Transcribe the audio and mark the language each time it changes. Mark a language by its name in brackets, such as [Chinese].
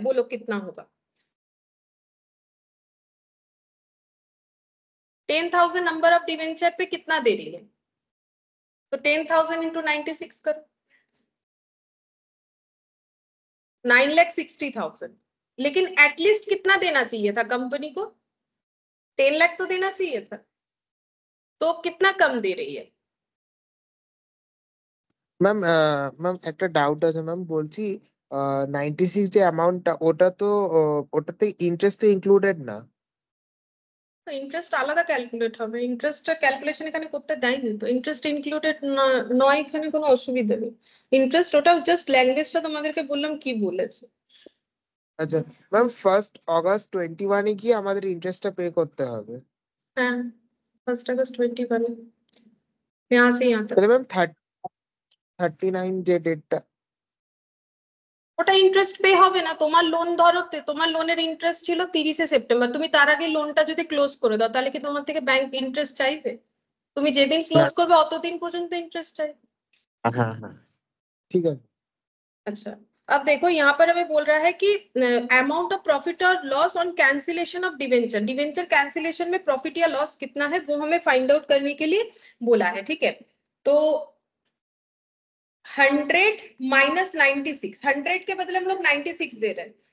[Hindi] बोलो कितना होगा, 10,000 नंबर ऑफ डिवेंचर पे कितना दे रही है, तो 10,000 × 96 करो, 9,60,000। लेकिन एटलीस्ट कितना देना चाहिए था कंपनी को, 10 लाख तो देना चाहिए था, तो कितना कम दे रही है। [Bangla] मैम একটা ডাউট আছে ম্যাম, বলছি 96 যে অ্যামাউন্টটা ওটা তো ওটাতে ইন্টারেস্ট তো ইনক্লুডেড না, তো ইন্টারেস্ট আলাদা ক্যালকুলেট হবে, ইন্টারেস্টটা ক্যালকুলেশন এখানে করতে দেয়নি, তো ইন্টারেস্ট ইনক্লুডেড না নয় এখানে কোনো অসুবিধা নেই। ইন্টারেস্ট ওটা জাস্ট ল্যাঙ্গুয়েজটা তোমাদেরকে বললাম কি বলেছে। আচ্ছা ম্যাম, 1st অগস্ট 21 কি আমাদের ইন্টারেস্টটা পে করতে হবে? হ্যাঁ 1st অগস্ট 21 এর আগে আসে না, তাহলে ম্যাম 39 ওটা ইন্টারেস্ট পে হবে না। তোমার লোন ধরতে তোমার লোনের ইন্টারেস্ট ছিল 30 সেপ্টেম্বর, তুমি তার আগে লোনটা যদি ক্লোজ করে দাও তাহলে কি তোমার থেকে ব্যাংক ইন্টারেস্ট চাইবে? তুমি যেদিন ক্লোজ করবে অতদিন পর্যন্ত ইন্টারেস্ট চাইবে। হ্যাঁ হ্যাঁ ঠিক আছে। [Hindi] আচ্ছা अब देखो यहाँ पर हमें बोल रहा है कि अमाउंट ऑफ प्रॉफिट और loss on cancellation of debenture, debenture cancellation में प्रॉफिट या लॉस कितना है वो हमें फाइंड आउट करने के लिए बोला है। ठीक है, तो 100 माइनस 96, 100 के बदले हम लोग 96 दे रहे हैं।